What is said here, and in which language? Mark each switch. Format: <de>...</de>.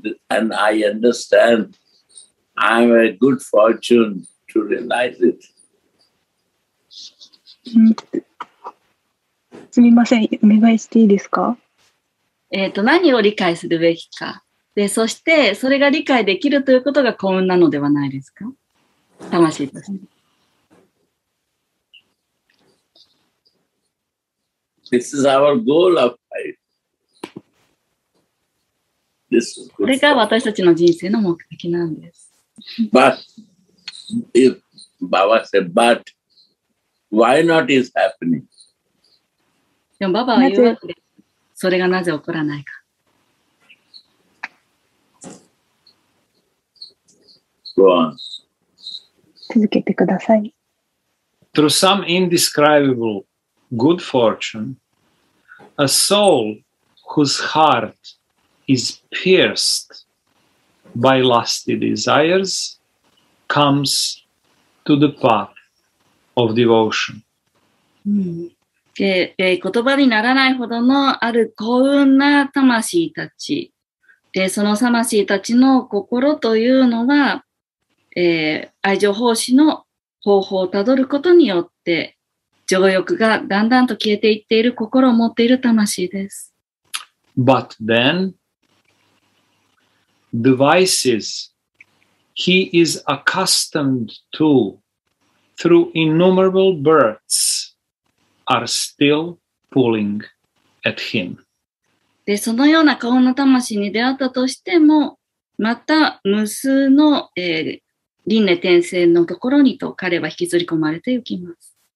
<en>And I understand I'm a good fortune to realize it.</en> <ja>すみません、お願いしていいですか？何を理解するべきか。で、そして、それが理解できるということが幸運なのではないですか？魂として。</ja> <en>This is our goal of life. This is good.</en> <ja>これが私たちの人生の目的なんです。</ja> <en>But, if Baba said, but, why not is happening?</en> <ja>でも、Baba は言うわけです。それがなぜ起こらないか。続けてください。</ja> <en>Through some indescribable good fortune, a soul whose heart is pierced by lusty desires comes to the path of devotion.、</en> <ja>言葉にならないほどのある幸運な魂たち。で、その魂たちの心というのは、愛情奉仕の方法をたどることによって、情欲がだんだんと消えていっている心を持っている魂です。</ja> <en>But then, the vices he is accustomed to through innumerable births. Are still pulling at him.</en> <ja>で、そのような幸運な魂に出会ったとしても、また無数の、輪廻転生のところにと彼は引きずり込まれていきます。</ja>